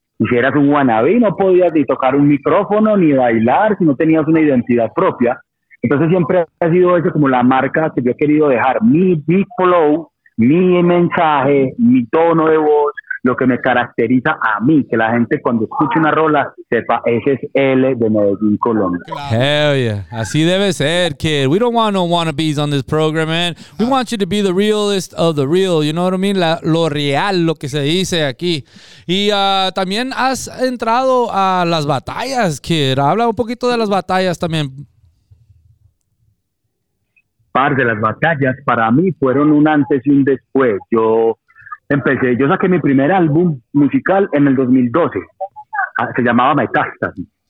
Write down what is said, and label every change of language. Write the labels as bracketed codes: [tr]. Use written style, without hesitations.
[es] Y si eras un wannabe, no podías ni tocar un micrófono ni bailar si no tenías una identidad propia. Entonces siempre ha sido eso como la marca que yo he querido dejar. Mi flow, mi mensaje, mi tono de voz, lo que me caracteriza a mí, que la gente cuando escuche una rola sepa, ese es L de Medellín, Colombia. [en] Hell yeah. [es] Así debe ser, kid. [en] We don't want no wannabes on this program, man. We want you to be the realest of the real. You know what I mean? [es] Lo real, lo que se dice aquí. Y también has entrado a las batallas, kid. Habla un poquito de las batallas también. Parce, las batallas para mí fueron un antes y un después. Yo saqué mi primer álbum musical en el 2012, se llamaba Metástasis.